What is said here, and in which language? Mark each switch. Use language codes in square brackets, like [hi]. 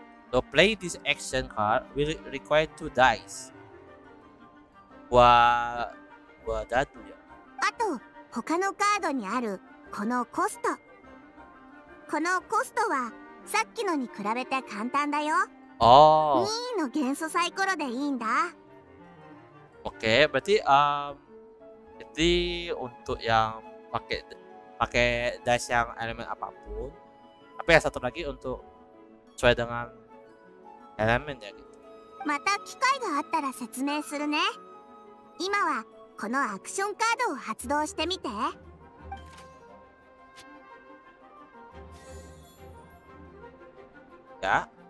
[en] To play this action card, we require two dice. What that do ya? [ja] あと他のカードにあるこのコスト。このコストはさっきのに比べて簡単だよ。 Oh. 2の元素サイコロでいいんだ。 [id] Okay, berarti jadi untuk yang pakai dice yang elemen apapun, tapi ya satu lagi untuk sesuai dengan elemen ya gitu. [ja] また機会があったら説明するね。今はこのアクションカードを発動してみて。じゃ。